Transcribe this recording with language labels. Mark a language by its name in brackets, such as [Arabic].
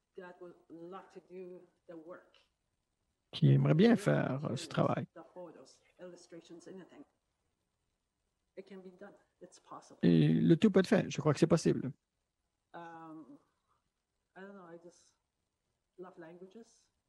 [English] that would love to do the work, [French] qui aimeraient bien faire ce travail. [English] The photos, illustrations, anything. It can be done. It's possible. [French] Et le tout peut être fait. Je crois que c'est possible. [English] I don't know. I just love languages.